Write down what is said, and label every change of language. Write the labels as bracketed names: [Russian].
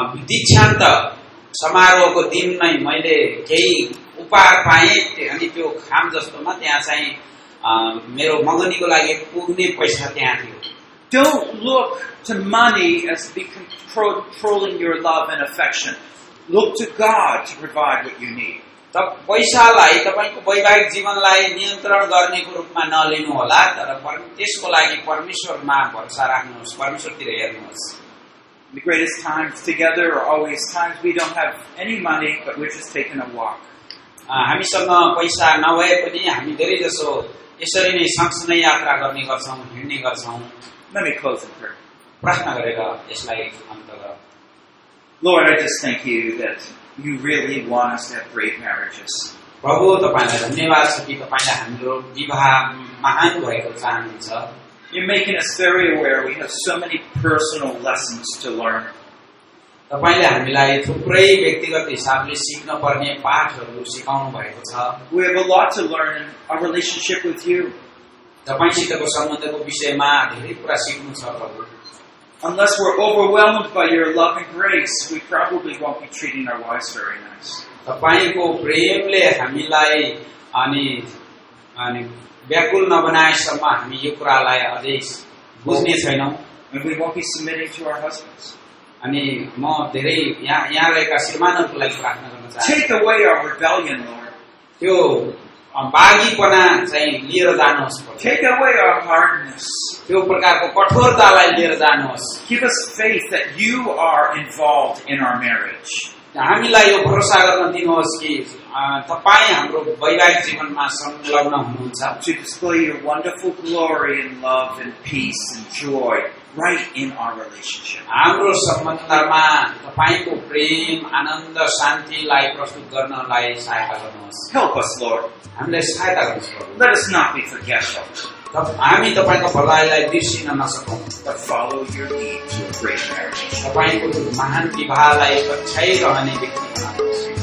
[Nepali] दीक्षान्त समारोहको दिन नै मैले केही उपहार पाएँ अनि त्यो खाम जस्तोमा त्यहाँ चाहिँ मेरो मगनीको लागि पुग्ने पैसा त्यहाँ थियो. [English] Don't look to money as be controlling your love and affection. Look to God to provide what you need. [Nepali] त पैसालाई तपाईँको वैवाहिक जीवनलाई नियन्त्रण गर्नेको रूपमा नलिनु होला, तर त्यसको लागि परमेश्वरमा भरोसा राख्नुहोस्, परमेश्वरतिर हेर्नुहोस्. [English] the greatest times together are always times we don't have any money, but we're just taking a walk. [Nepali] हामीसँग पैसा नभए पनि हामी धेरै जसो यसरी नै सँगसँगै यात्रा गर्ने गर्छौँ, हिँड्ने गर्छौँ. [English] Let me close in prayer. [Nepali] प्रार्थना गरेर यसलाई अन्त गर. [English] Lord, I just thank you that you really want us to have great marriages. [Nepali] प्रभु तपाईँलाई धन्यवाद छ कि तपाईँले हाम्रो विवाह महान भएको चाहनुहुन्छ. [English] You're making us very aware we have so many personal lessons to learn. [Nepali] तपाईँले हामीलाई थुप्रै व्यक्तिगत हिसाबले सिक्न पर्ने पाठहरू सिकाउनु भएको छ. [English] We have a lot to learn in our relationship with you. [Nepali] तपाईँसितको सम्बन्धको विषयमा धेरै कुरा सिक्नु छ प्रभु. [English] Unless we're overwhelmed by your love and grace, we probably won't be treating our wives very nice. [Nepali] तपाईँको प्रेमले हामीलाई अनि व्याकुल नबनाएसम्म हामी यो कुरालाई अझै बुझ्ने छैनौँ. [English] We won't be submitting to our husbands. [Nepali] अनि म धेरै यहाँ रहेका श्रीमानहरूको लागि प्रार्थना गर्न चाहन्छु. [English] Take away our rebellion, Lord. [Nepali] त्यो बागीपना चाहिँ लिएर जानुहोस्. [English] Take away our hardness. [Nepali] त्यो प्रकारको कठोरतालाई लिएर जानुहोस्. [English] Give us faith that you are involved in our marriage. [Nepali] हामीलाई यो भरोसा गर्न दिनुहोस् कि तपाईँ हाम्रो वैवाहिक जीवनमा संलग्न हुनुहुन्छ. [English] To display your wonderful glory and love and peace and joy. Right in our relationship. [Nepali] हाम्रो सम्बन्धमा तपाईँको प्रेम आनन्द शान्तिलाई प्रस्तुत गर्नलाई सहायता गर्नुहोस्. [English] Help us, Lord. [Nepali] हामीलाई सहायता गर्नुहोस् प्रभु. [English] Let us not be forgetful. [Nepali] हामी तपाईँको भलाइलाई बिर्सिन नसकौँ. [English] But follow your lead to a great marriage. [Nepali] तपाईँको महान विवाहलाई पछ्याइ रहने व्यक्ति